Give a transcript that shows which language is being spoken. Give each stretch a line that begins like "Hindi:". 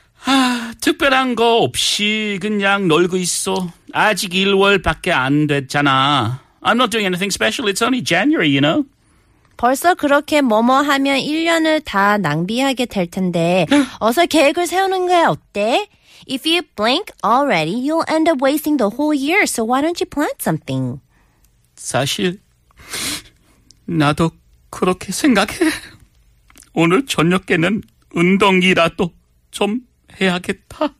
Korean: 아, 특별한 거 없이 그냥 놀고 있어. 아직 1월밖에 안 됐잖아.
English: I'm not doing anything special. It's only January, you know.
Korean: 벌써 그렇게 뭐뭐 하면 1년을 다 낭비하게 될 텐데 어서 계획을 세우는 게 어때?
English: If you blink already, you'll end up wasting the whole year. So why don't you plan something?
Korean: 사실 나도 그렇게 생각해. 오늘 저녁에는 운동이라도 좀 해야겠다.